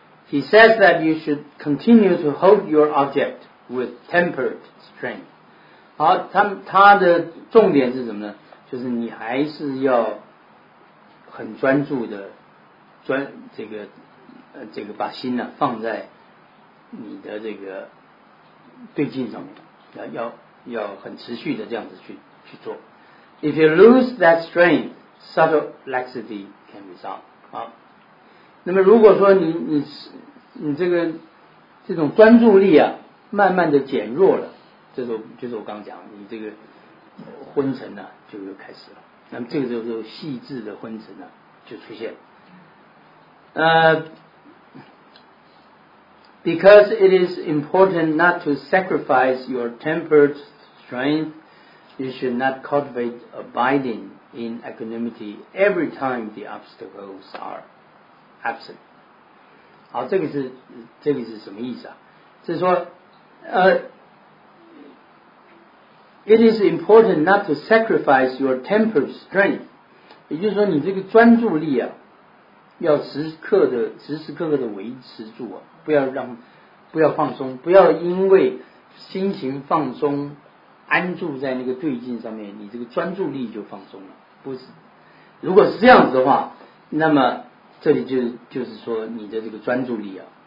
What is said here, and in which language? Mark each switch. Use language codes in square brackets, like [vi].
[en] He says that you should continue to hold your object with tempered strength。 [zh] 好，他的重点是什么呢？就是你还是要很专注的这个把心呢、啊、放在你的这个对境上面，要很持续的这样子去做。 [en] If you lose that strength, subtle laxity can result. [zh] 好，那么如果说你这种专注力啊，慢慢的减弱了，这时候就是我刚讲你这个。昏沉呢、啊、就又开始了，那么这个时候细致的昏沉呢、啊、就出现。 [en] Because it is important not to sacrifice your tempered strength, you should not cultivate abiding in equanimity every time the obstacles are absent. [zh] 好，这个是什么意思啊？是说 [en] It is important not to sacrifice your tempered strength. [zh] 也就是说你这个专注力啊，要时时刻刻的维持住啊，不要放松，不要因为心情放松安住在那个对境上面，你这个专注力就放松了。不是，如果是这样子的话，那么这里就是说你的这个专注力啊